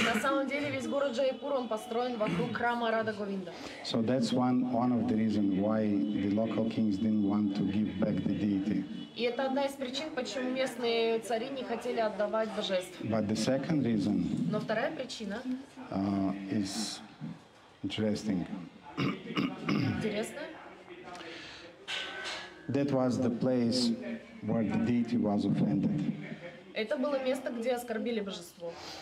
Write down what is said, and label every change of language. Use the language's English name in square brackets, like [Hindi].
[Russian] На самом деле весь город Джайпур он построен вокруг храма Радха Говинда. [English] So that's one of the reasons why the local kings didn't want to give back the deity. [Russian] И это одна из причин, почему местные цари не хотели отдавать божеств. [English] But the second reason. [Russian] Но вторая причина. [English] Is interesting. [Russian] Интересно. [English] That was the place where the deity was offended. [Russian] Это было место, где оскорбили божество.